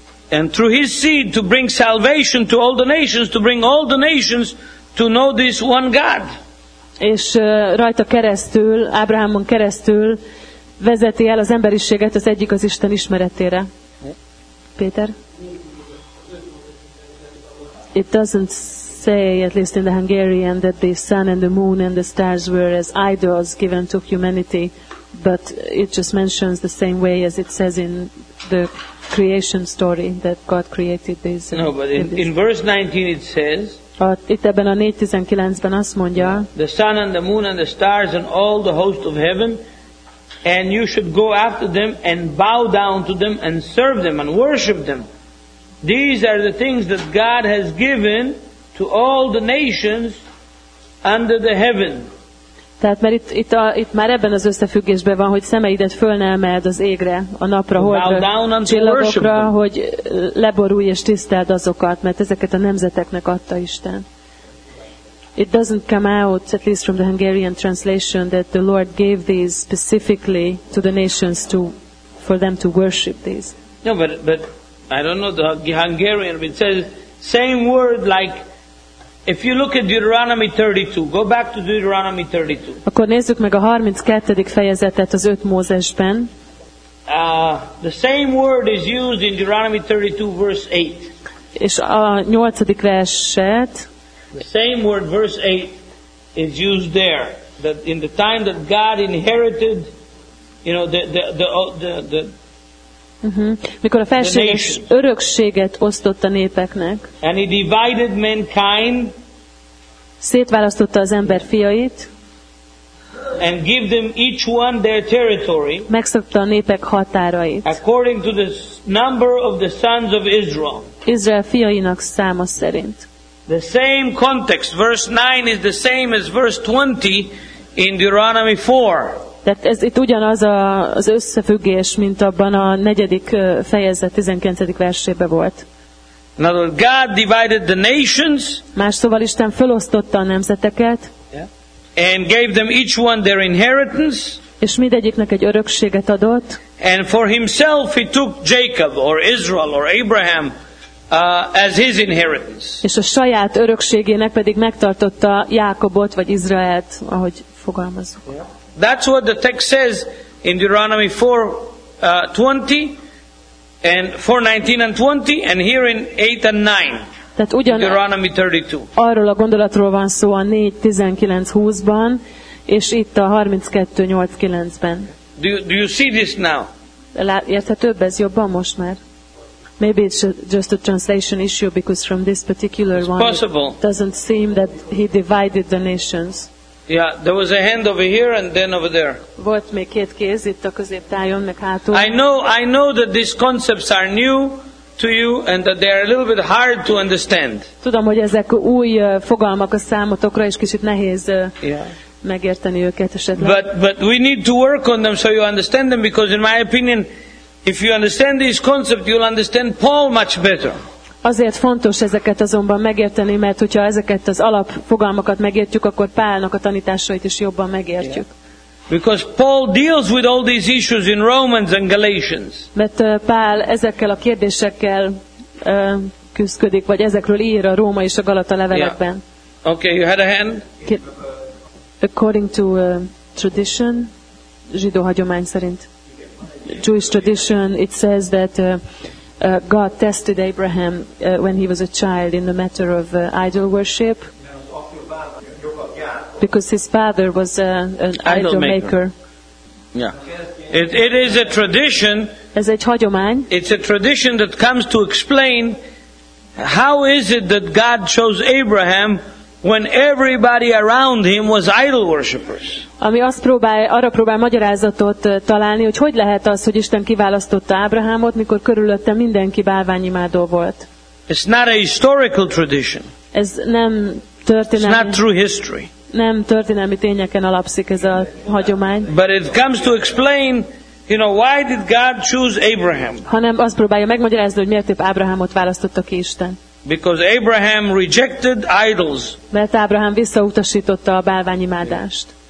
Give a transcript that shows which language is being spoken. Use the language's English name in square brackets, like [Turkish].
[English] And through his seed to bring salvation to all the nations, to bring all the nations to know this one God. [Hungarian] És rajta keresztül, Ábrahámon keresztül vezeti el az emberiséget az egyik az Isten ismeretére. Péter? [English] It doesn't say, at least in the Hungarian, that the sun and the moon and the stars were as idols given to humanity, but it just mentions the same way as it says in the creation story that God created these. No, but in verse 19 it says, [Hungarian] itt ebben a 4:19-ben azt mondja, [English] the sun and the moon and the stars and all the host of heaven, and you should go after them and bow down to them and serve them and worship them. These are the things that God has given to all the nations under the heaven. [Hungarian] Tehát mert itt már ebben az összefüggésben van, hogy szemeidet föl ne emeld az égre, a napra, holdra, csillagokra, hogy leborulj és tiszteld azokat, mert ezeket a nemzeteknek adta Isten. [English] It doesn't come out, at least from the Hungarian translation, that the Lord gave these specifically to the nations to, for them to worship these. No, but I don't know the Hungarian. It says same word like, if you look at Deuteronomy 32, go back to Deuteronomy 32. [Hungarian] Akkor nézzük meg a 32. fejezetet az 5 Mózesben. [English] The same word is used in Deuteronomy 32, verse 8. [Hungarian] És a 8. verset. [English] The same word, verse 8, is used there. That in the time that God inherited, you know, the [Hungarian] mikor a felséges örökséget osztott a népeknek. [English] And he divided mankind. [Hungarian] Szétválasztotta az ember fiait. [English] And give them each one their territory. [Hungarian] Megszabta a népek határait. [English] According to the number of the sons of Israel. [Hungarian] Izrael fiainak száma szerint. [English] The same context, verse 9 is the same as verse 20 in Deuteronomy 4. [Hungarian] Tehát ez itt ugyanaz az összefüggés, mint abban a 4. fejezet 19. versében volt. [English] Now God divided the nations. [Hungarian] Más szóval Isten felosztotta a nemzeteket. [English] Yeah. And gave them each one their inheritance. [Hungarian] és mindegyiknek egy örökséget adott. [English] And for himself he took Jacob or Israel or Abraham as his inheritance. [Hungarian] És a saját örökségének pedig megtartotta Jákobot vagy Izraelt, ahogy fogalmazzuk. [English] Yeah. That's what the text says in Deuteronomy 4:20 and 4:19 and 20 and here in 8 and 9. [Hungarian] Tehát ugyan [English] Deuteronomy 32. [Hungarian] Arról a gondolatról van szó a 4:19-20-ban és itt a 32:8-9-ben. [English] Do you see this now? [Hungarian] Érthetőbb ez jobban most már. [English] Maybe it's just a translation issue because from this particular it's one possible. It doesn't seem that he divided the nations. Yeah, there was a hand over here and then over there. [Hungarian] Volt még két kéz itt a középtájon meg hátul. [English] I know that these concepts are new to you and that they are a little bit hard to understand. [Hungarian] Tudom, hogy ezek új fogalmak a számotokra és kicsit nehéz. Megérteni őket esetleg. [English] But we need to work on them so you understand them because in my opinion if you understand this concept you'll understand Paul much better. [Hungarian] Azért fontos ezeket azonban megérteni, mert hogyha ezeket az alapfogalmakat megértjük, akkor Pálnak a tanításait is jobban megértjük. [English] Yeah. Because Paul deals with all these issues in Romans and Galatians. [Hungarian] Mert Pál ezekkel a kérdésekkel küzdik, vagy ezekről ír a Róma és a Galata levelekben. [English] Yeah. Okay, you had a hand? According to tradition, [Hungarian] zsidó hagyomány szerint, [English] Jewish tradition, it says that God tested Abraham when he was a child in the matter of idol worship, because his father was an idol maker. Yeah, it is a tradition. [Hungarian] Ez egy hagyomány. [English] It's a tradition that comes to explain how is it that God chose Abraham when everybody around him was idol worshippers. [Hungarian] Ami azt próbál, arra próbál magyarázatot találni, hogy hogy lehet az, hogy Isten kiválasztotta Ábrahámot, mikor körülötte mindenki bálványimádó volt. [English] It's not a historical tradition. [Hungarian] Ez nem történelmi. [English] It's not true history. [Hungarian] Nem történelmi tényeken alapszik ez a hagyomány. [English] But it comes to explain, you know, why did God choose Abraham? [Hungarian] Hanem azt próbálja megmagyarázni, hogy miért épp Ábrahámot választotta ki Isten. [English] Because Abraham rejected idols. [Hungarian] Mert Ábrahám visszautasította a bálványimádást.